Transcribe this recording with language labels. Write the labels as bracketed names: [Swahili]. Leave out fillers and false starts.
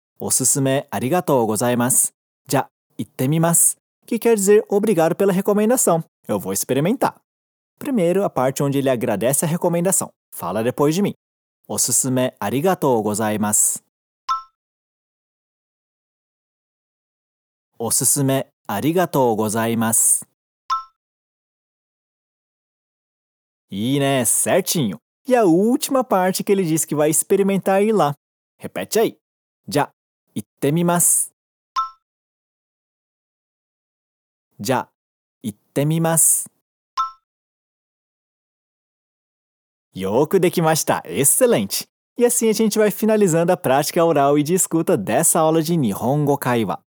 [Japanese] おすすめありがとうございます。じゃ、行ってみます。 [Portuguese] Que quer dizer obrigado pela recomendação. Eu vou experimentar. Primeiro, a parte onde ele agradece a recomendação. Fala depois de mim. [Japanese] おすすめありがとうございます。おすすめありがとうございます。いいね、 [Portuguese] certinho. E a última parte que ele disse que vai experimentar ir lá. Repete aí. [Japanese] じゃ、行ってみます。じゃ、行ってみます。よくできました。 [Portuguese] Excelente! E assim a gente vai finalizando a prática oral e de escuta dessa aula de Nihongo Kaiwa.